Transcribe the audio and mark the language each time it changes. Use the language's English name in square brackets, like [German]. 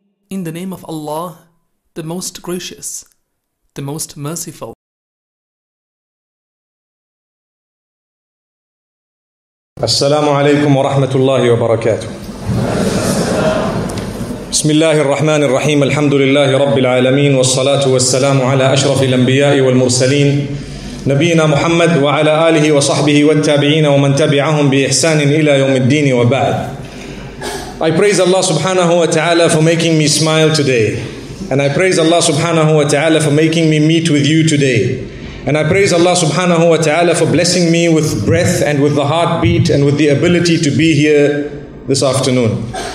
[English] In the name of Allah, the Most Gracious, the Most Merciful. [Arabic] السلام عليكم ورحمة الله وبركاته. بسم الله الرحمن الرحيم الحمد لله رب العالمين والصلاة والسلام على أشرف الأنبياء والمرسلين نبينا محمد وعلى آله وصحبه والتابعين ومن تبعهم بإحسان إلى يوم الدين وبعد. [English] I praise Allah [Arabic] subhanahu wa ta'ala [English] for making me smile today. And I praise Allah [Arabic] subhanahu wa ta'ala [English] for making me meet with you today. And I praise Allah [Arabic] subhanahu wa ta'ala [English] for blessing me with breath and with the heartbeat and with the ability to be here this afternoon.